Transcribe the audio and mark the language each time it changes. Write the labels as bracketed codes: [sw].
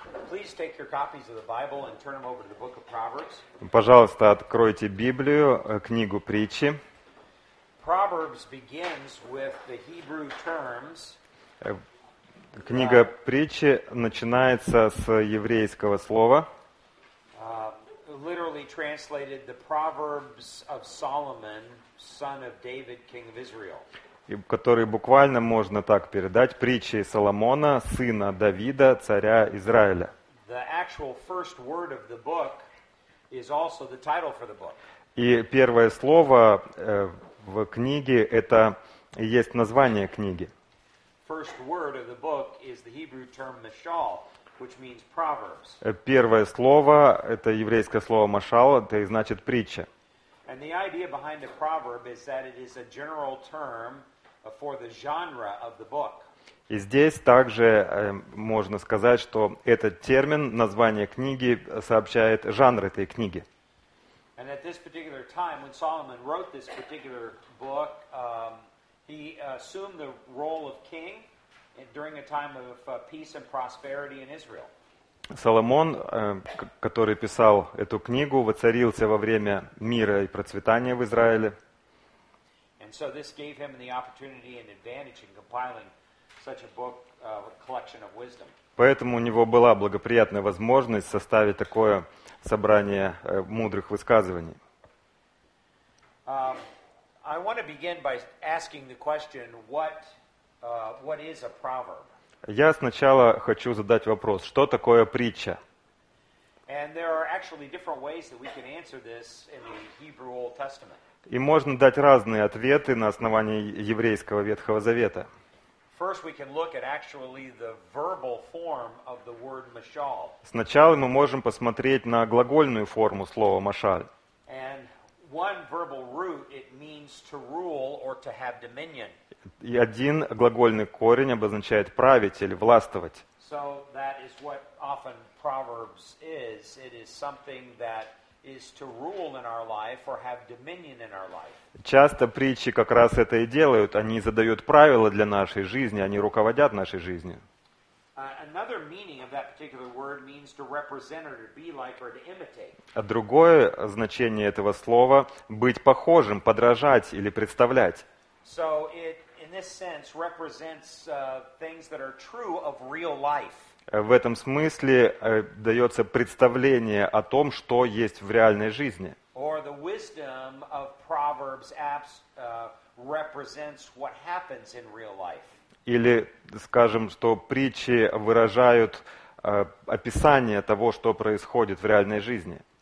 [en] Please take your copies of the Bible and turn them over to the book of Proverbs. [ru] Пожалуйста, откройте Библию, книгу Притчи. [en] Proverbs begins with the Hebrew terms. [ru] Книга Притчи начинается с еврейского слова. [en] Literally translated, the Proverbs of Solomon, son of David, king of Israel. [ru] Который буквально можно так передать: Притчи Соломона, сына Давида, царя Израиля. [en] The actual first word of the book is also the title for the book. [ru] И первое слово в книге это есть название книги. [en] First word of the book is the Hebrew term mashal, which means proverbs. [ru] Первое слово это еврейское слово mashal, это и значит притча. [en] And the idea behind the proverb is that it is a general term for the genre of the book. [ru] И здесь также можно сказать, что этот термин, название книги, сообщает жанр этой книги. [en] And at this particular time, when Solomon wrote this particular book, he assumed the role of king during a time of peace and prosperity in Israel. [ru] Соломон, который писал эту книгу, воцарился во время мира и процветания в Израиле. [en] And so this gave him the opportunity and advantage in compiling such a book, a collection of wisdom. [ru] Поэтому у него была благоприятная возможность составить такое собрание мудрых высказываний. [en] I want to begin by asking the question, what is a proverb? [ru] Я сначала хочу задать вопрос, что такое притча? [en] And there are actually different ways that we can answer this in the Hebrew Old Testament. [ru] И можно дать разные ответы на основании еврейского Ветхого Завета. [en] First we can look at actually the verbal form of the word mashal. [ru] Сначала мы можем посмотреть на глагольную форму слова mashal. [en] And one verbal root it means to rule or to have dominion. [ru] И один глагольный корень обозначает править или властвовать. [en] So that is what often Proverbs is. It is something that is to rule in our life or have dominion in our life. [ru] Часто притчи как раз это и делают. Они задают правила для нашей жизни, они руководят нашей жизнью. [en] Another meaning of that particular word means to represent or to be like or to imitate. [ru] А другое значение этого слова быть похожим, подражать или представлять. [en] So it in this sense represents things that are true of real life. [ru] В этом смысле дается представление о том, что есть в реальной жизни. [en] Or the wisdom of Proverbs apps represents what happens in real life. [ru] Или, скажем, что притчи выражают описание того, что происходит в реальной жизни.